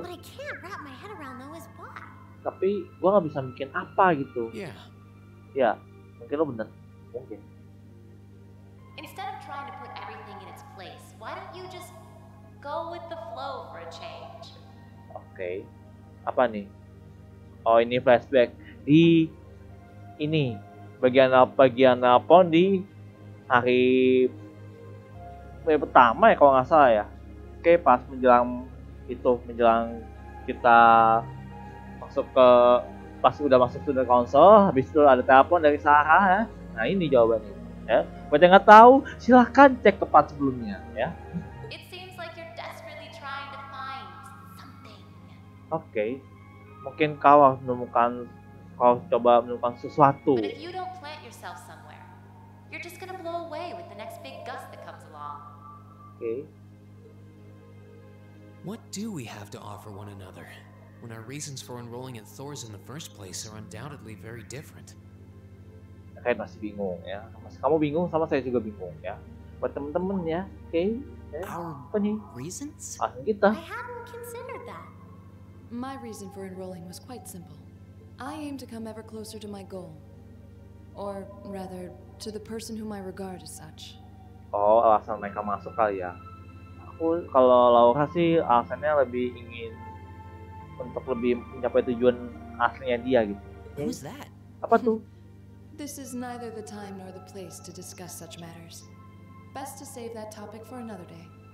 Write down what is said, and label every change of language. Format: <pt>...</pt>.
<en>But I can't wrap my head around though is why.</en> <id>Tapi gua nggak bisa mikirin apa gitu.</id> <en>Yeah.</en> <id>Ya, mungkin lo bener, mungkin.</id> <en>Instead of trying to put everything in its place, why don't you just go with the flow for a change?</en> <id>Oke. Okay. Apa nih? Oh, ini flashback di ini bagian apa di hari pertama ya kalau enggak salah ya. Oke, okay, pas menjelang kita masuk ke pas udah masuk ke konsol, habis itu ada telepon dari Sarah ya. Nah, ini jawabannya. Ya, buat yang nggak tahu, silahkan cek tempat sebelumnya ya.</id> <en>It seems like you're desperately trying to find something. Oke.</en> <id>Mungkin kau coba menemukan sesuatu.</id> <en>But if you don't plant yourself somewhere, you're just gonna blow away with the next big gust that comes along. Oke. What do we have to offer one another when our reasons for enrolling at Thor's in the first place are undoubtedly very different?</en> <id>Kayak masih bingung ya, masih kamu bingung sama saya juga bingung ya. Buat temen-temen ya, oke? Apa nih? Reasons? Alasan kita.</id> <en>I hadn't considered that. My reason for enrolling was quite simple. I aim to come ever closer to my goal, or rather to the person whom I regard as such.</en> <id>Oh, alasan mereka masuk kali ya. Aku kalau Laura sih alasannya lebih ingin untuk lebih mencapai tujuan aslinya dia gitu.</id> <en>Who's that?</en> <id>Apa tuh?</id> <en>This is neither the time nor the place to discuss such matters. Best to save that topic for another day.</en>